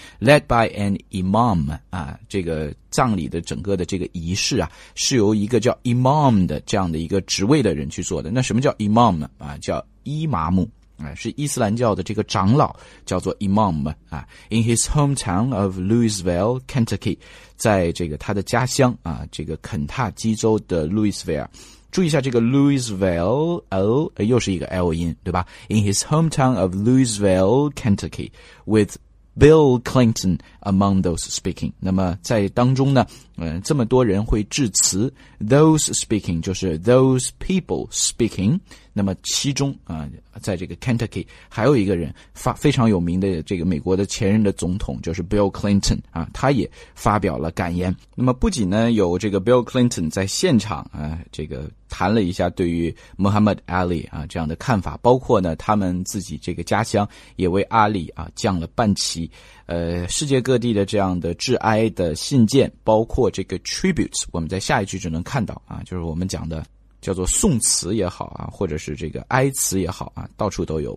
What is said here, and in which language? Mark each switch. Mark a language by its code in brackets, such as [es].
[en] led by an imam [zh] 啊，这个葬礼的整个的这个仪式啊，是由一个叫 imam 的这样的一个职位的人去做的。那什么叫 imam 呢？啊，叫伊玛目，是伊斯兰教的这个长老，叫做 imam 啊。 [en] In his hometown of Louisville, Kentucky, [zh] 在这个他的家乡啊，这个肯塔基州的 Louisville。注意一下这个 Louisville, L, 又是一个 L 音，对吧 [en] ？In his hometown of Louisville, Kentucky, with Bill Clinton among those speaking. [zh] 那么在当中呢，这么多人会致辞。 [en] Those speaking [zh] 就是 [en] those people speaking. [zh] 那么其中啊，在这个 Kentucky 还有一个人非常有名的这个美国的前任的总统，就是 Bill Clinton 啊，他也发表了感言。那么不仅呢有这个 Bill Clinton 在现场啊，这个他。谈了一下对于 Muhammad Ali 啊这样的看法，包括呢他们自己这个家乡也为阿里啊降了半旗，世界各地的这样的致哀的信件，包括这个 tributes， 我们在下一句就能看到啊，就是我们讲的叫做宋词也好啊，或者是这个哀词也好啊，到处都有。